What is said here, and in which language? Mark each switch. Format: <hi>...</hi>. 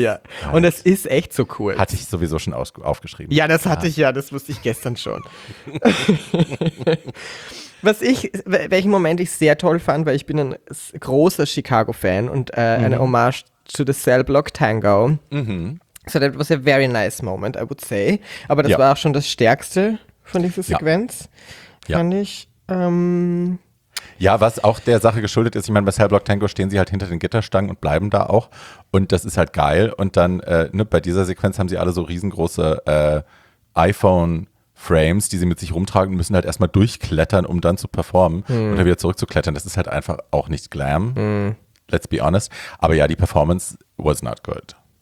<de>Ja, right. Und es ist echt so cool. Hatte ich sowieso schon aufgeschrieben. Ja, das hatte ich, das wusste ich gestern schon. welchen Moment ich sehr toll fand, weil ich bin ein großer Chicago-Fan und eine Hommage</de> <en>to the Cell Block Tango.</en> <de>Mhm.</de> <en>So that was a very nice moment, I would say.</en> <de>Aber das war auch schon das Stärkste von dieser Sequenz, fand ich. Ja, was auch der Sache geschuldet ist, ich meine, bei Cellblock Tango stehen sie halt hinter den Gitterstangen und bleiben da auch und das ist halt geil und dann bei dieser Sequenz haben sie alle so riesengroße iPhone-Frames, die sie mit sich rumtragen und müssen halt erstmal durchklettern, um dann zu performen oder wieder zurückzuklettern. Das ist halt einfach auch nicht Glam,</de> <en>let's be honest,</en> <de>aber ja, die Performance</de> <en>was not good.</en>